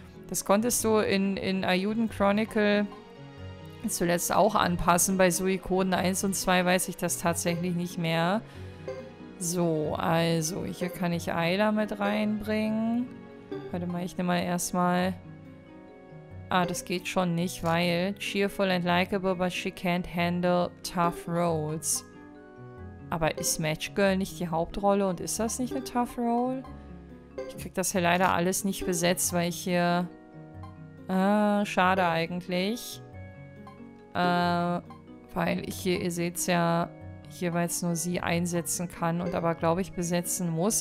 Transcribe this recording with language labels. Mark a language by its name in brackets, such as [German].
[German] Das konntest du in Ayuden Chronicle zuletzt auch anpassen. Bei Suikoden 1 und 2 weiß ich das tatsächlich nicht mehr. So, also hier kann ich Eiler mit reinbringen. Warte mal, ich nehme mal erstmal... Ah, das geht schon nicht, weil... [English] Cheerful and likable, but she can't handle tough roles. [German] Aber ist Match Girl nicht die Hauptrolle und ist das nicht eine tough role? Ich krieg das hier leider alles nicht besetzt, weil ich hier... Ah, schade eigentlich. Weil ich hier, ihr seht's ja, jeweils nur sie einsetzen kann und aber, glaube ich, besetzen muss.